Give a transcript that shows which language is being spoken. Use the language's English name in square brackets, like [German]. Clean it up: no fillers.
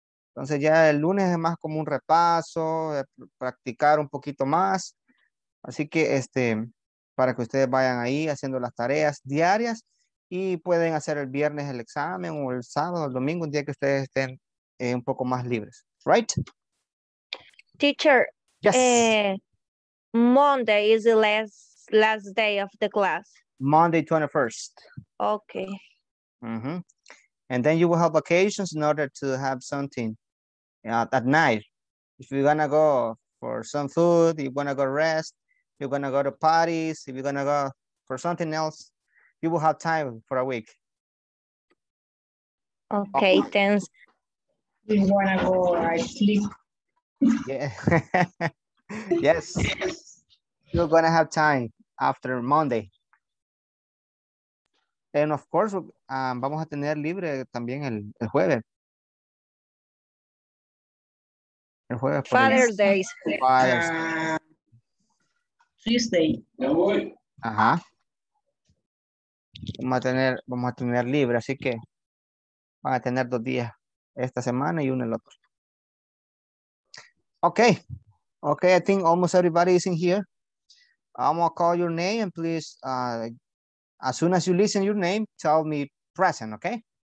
[Spanish] Entonces ya el lunes es más como un repaso, practicar un poquito más. Así que para que ustedes vayan ahí haciendo las tareas diarias y pueden hacer el viernes el examen o el sábado, el domingo, un día que ustedes estén un poco más libres. [English] Right? Teacher, yes. Monday is the last day of the class. Monday 21st. Okay. Mm-hmm. And then you will have vacations in order to have something at night. If you're going to go for some food, you're going to go rest, you're going to go to parties, if you're going to go for something else, you will have time for a week. Okay, oh. Thanks. You want to go sleep. Yeah. Yes. You're going to have time after Monday. And of course, [Spanish] vamos a tener libre también el jueves. El jueves. [English] Father's Day. Father's Tuesday. [Spanish] Ajá. Vamos a tener libre, así que van a tener 2 días esta semana y uno el otro. [English] Okay. Okay, I think almost everybody is in here. I'm gonna call your name and please as soon as you listen your name, tell me present, okay?